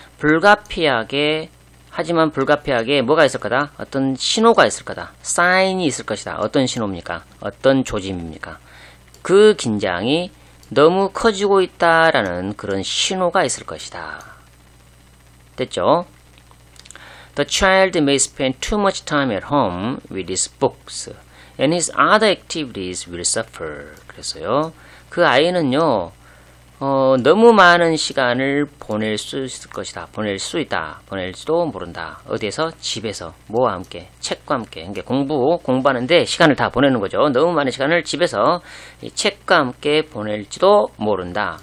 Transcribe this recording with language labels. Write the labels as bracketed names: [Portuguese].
[Korean] 불가피하게, 하지만 불가피하게 뭐가 있을 거다? 어떤 신호가 있을 거다. 사인이 있을 것이다. 어떤 신호입니까? 어떤 조짐입니까? 그 긴장이 너무 커지고 있다라는 그런 신호가 있을 것이다. 됐죠? [English] The child may spend too much time at home with his books. And his other activities will suffer. [Korean] 그랬어요. 그 아이는요, 너무 많은 시간을 보낼 수 있을 것이다. 보낼 수 있다. 보낼지도 모른다. 어디에서? 집에서. 뭐와 함께? 책과 함께. 이게 공부, 공부하는데 시간을 다 보내는 거죠. 너무 많은 시간을 집에서 이 책과 함께 보낼지도 모른다.